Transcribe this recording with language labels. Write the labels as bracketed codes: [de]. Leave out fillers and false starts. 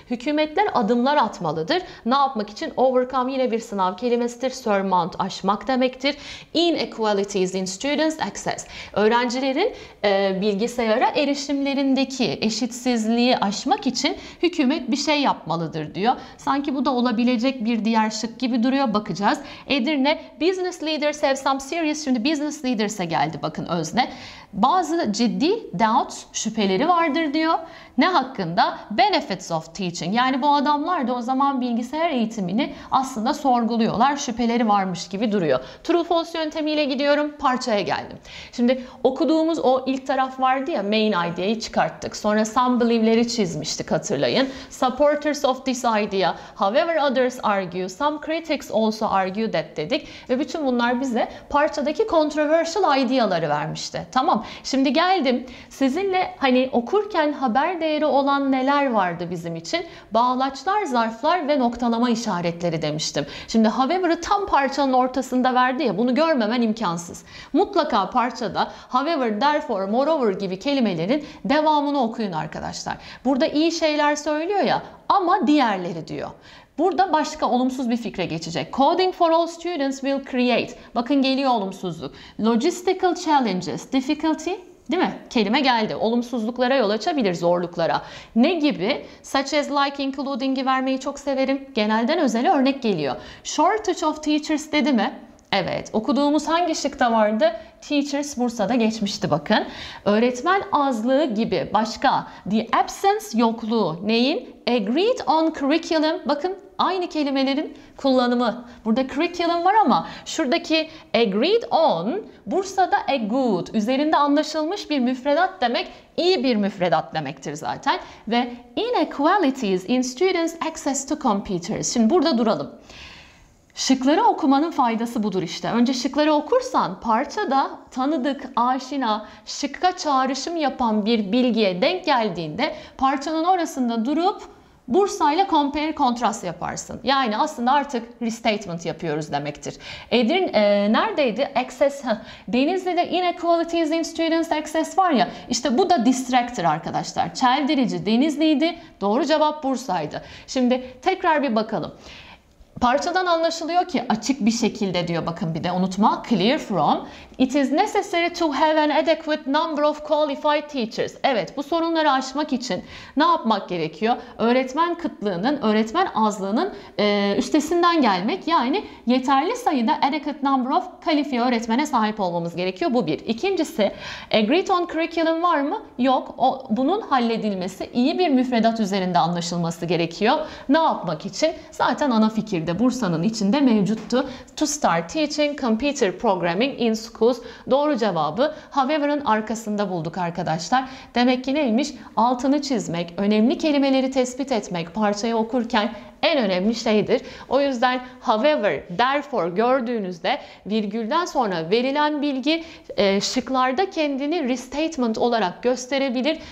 [tr] Hükümetler adımlar atmalıdır. Ne yapmak için? Overcome yine bir sınav kelimesidir. Surmount aşmak demektir. [en] Inequalities in students access. [tr] Öğrencilerin bilgisayara erişimlerindeki eşitsizliği aşmak için hükümet bir şey yapmalıdır diyor. Sanki bu da olabilecek bir diğer şık gibi duruyor. Bakacağız. [en] Edirne, business leaders have some serious. [tr] Şimdi [en] business leaders'e [tr] geldi bakın özne. Bazı ciddi doubts, şüpheleri vardır diyor. Ne hakkında? [en] Benefits of teaching. [tr] Yani bu adamlar da o zaman bilgisayar eğitimini aslında sorguluyorlar. Şüpheleri varmış gibi duruyor. True false yöntemiyle gidiyorum. Parçaya geldim. Şimdi okuduğumuz o ilk taraf vardı ya, main idea'yı çıkarttık. Sonra [en] some believe'leri [tr] çizmiştik, hatırlayın. [en] Supporters of this idea. However others argue. Some critics also argue that [tr] dedik. Ve bütün bunlar bize parçadaki controversial idea'ları vermişti. Tamam. Şimdi geldim. Sizinle hani okurken haber değeri olan neler vardı bizim için? Bağlaçlar, zarflar ve noktalama işaretleri demiştim. Şimdi however'ı tam parçanın ortasında verdi ya, bunu görmemen imkansız. Mutlaka parçada however, therefore, moreover gibi kelimelerin devamını okuyun arkadaşlar. Burada iyi şeyler söylüyor ya, ama diğerleri diyor. Burada başka olumsuz bir fikre geçecek. [en] Coding for all students will create. [tr] Bakın geliyor olumsuzluk. [en] Logistical challenges, difficulty. [tr] Değil mi? Kelime geldi. Olumsuzluklara yol açabilir, zorluklara. Ne gibi? [en] Such as like including'i [tr] vermeyi çok severim. Genelden özele örnek geliyor. [en] Shortage of teachers [tr] dedi mi? Evet. Okuduğumuz hangi şıkta vardı? Teachers Bursa'da geçmişti bakın. Öğretmen azlığı gibi. Başka? [en] The absence, [tr] yokluğu. Neyin? [en] Agreed on curriculum. [tr] Bakın aynı kelimelerin kullanımı. Burada curriculum var ama şuradaki [en] agreed on [tr] Bursa'da [en] a good. [tr] Üzerinde anlaşılmış bir müfredat demek, iyi bir müfredat demektir zaten. [en] Ve inequalities in students' access to computers. [tr] Şimdi burada duralım. Şıkları okumanın faydası budur işte. Önce şıkları okursan parçada tanıdık, aşina, şıkka çağrışım yapan bir bilgiye denk geldiğinde parçanın orasında durup Bursa ile compare contrast yaparsın. Yani aslında artık restatement yapıyoruz demektir. Edirne neredeydi? Access. Denizli'de [en] inequalities in students access [tr] var ya. İşte bu da distractor arkadaşlar. Çeldirici Denizli'ydi. Doğru cevap Bursa'ydı. Şimdi tekrar bir bakalım. Parçadan anlaşılıyor ki açık bir şekilde diyor, bakın bir de unutma, [en] clear from. It is necessary to have an adequate number of qualified teachers. [tr] Evet, bu sorunları aşmak için ne yapmak gerekiyor? Öğretmen kıtlığının, öğretmen azlığının üstesinden gelmek. Yani yeterli sayıda [en] adequate number of [tr] kalifiye öğretmene sahip olmamız gerekiyor. Bu bir. İkincisi, agreed on curriculum var mı? Yok. Bunun halledilmesi, iyi bir müfredat üzerinde anlaşılması gerekiyor. Ne yapmak için? Zaten ana fikirde Bursa'nın içinde mevcuttu. [en] To start teaching computer programming in school. [tr] Doğru cevabı however'ın arkasında bulduk arkadaşlar. Demek ki neymiş? Altını çizmek, önemli kelimeleri tespit etmek parçayı okurken en önemli şeydir. O yüzden however, therefore gördüğünüzde virgülden sonra verilen bilgi şıklarda kendini restatement olarak gösterebilir.